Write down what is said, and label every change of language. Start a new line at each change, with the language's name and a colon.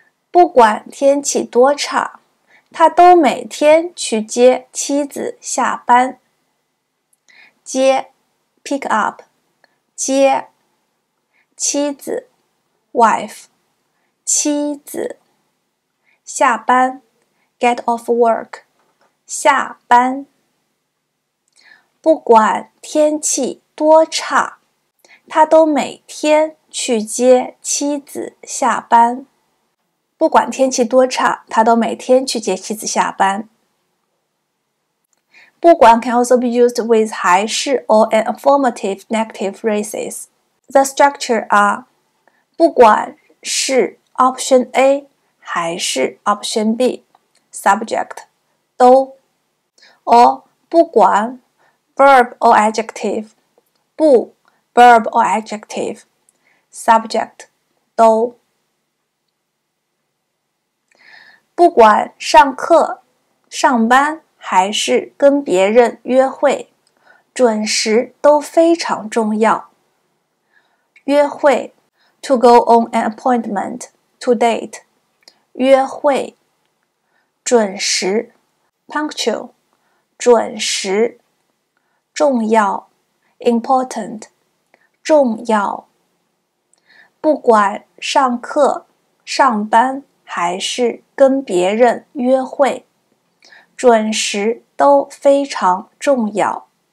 Chinese: 不管天气多差他都每天去接妻子下班。接 ,
English: pick up,
Chinese: 接妻子 ,
English: wife,
Chinese: 妻子下班。
English: Get off work,
Chinese: 下班。不管天气多差，他都每天去接妻子下班。不管天气多差，他都每天去接妻子下班。
English: 不管 can also be used with 还是 or an affirmative negative phrases. The structure are 不管是 option A 还是 option B.
Chinese: Subject, 都 or 不管
English: verb or adjective,
Chinese: 不 verb or adjective, subject, 都不管上课、上班还是跟别人约会，准时都非常重要。
English: 约会 to go on an appointment, to date, 约会。
Chinese: 准时 ,
English: punctual,
Chinese: 准时重要 ,
English: important,
Chinese: 重要不管上课上班还是跟别人约会准时都非常重要。